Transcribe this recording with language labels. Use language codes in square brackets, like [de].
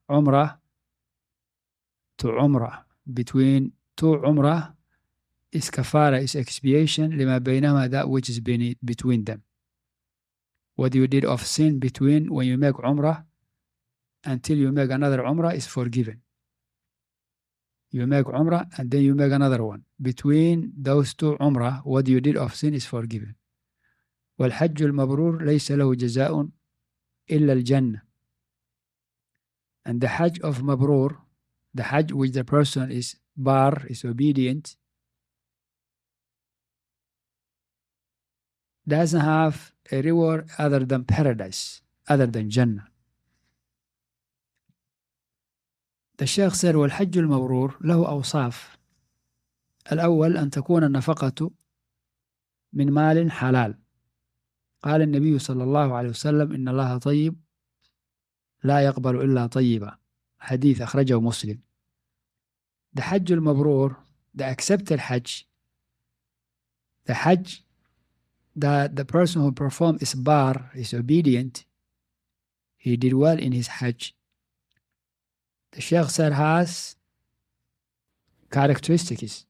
[en] Umrah to umrah, between two umrah is kafara, is expiation, lima baynahuma, that which is between them. What you did of sin between when you make umrah until you make another umrah is forgiven. You make umrah and then you make another one. Between those two umrah, what you did of sin is forgiven. [ar] والحج المبرور ليس له جزاء إلا الجنة. [en] And the Hajj of Mabrur, the Hajj which the person is bar, is obedient, doesn't have a reward other than paradise, other than Jannah. The Shaykh said, [ar] والحج المبرور له أوصاف. الأول أن تكون النفقة من مال حلال. قال النبي صلى الله عليه وسلم إن الله طيب لا يقبل إلا طيبا. حديث أخرجه مسلم. [en] The حج المبرور, the accepted حج, the حج that the person who performed is bar, is obedient, he did well in his حج. The Shaykh said has characteristics.